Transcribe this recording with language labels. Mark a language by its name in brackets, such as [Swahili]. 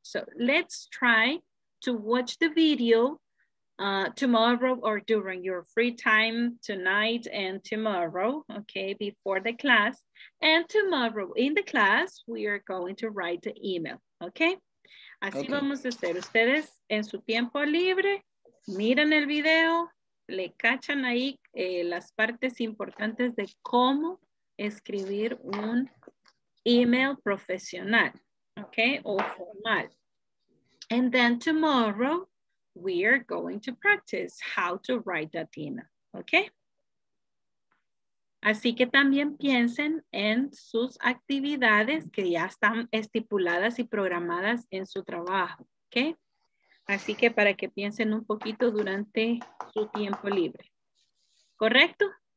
[English] So let's try to watch the video tomorrow or during your free time tonight and tomorrow, okay, before the class. And tomorrow in the class, we are going to write the email, okay? [Spanish] Así okay. Vamos a hacer. Ustedes en su tiempo libre, miran el video, le cachan ahí las partes importantes de cómo escribir un email profesional, okay, o formal. [English] And then tomorrow, we are going to practice how to write that email, okay? [Spanish] Así que también piensen en sus actividades que ya están estipuladas y programadas en su trabajo, ¿ok? Así que para que piensen un poquito durante su tiempo libre, ¿correcto?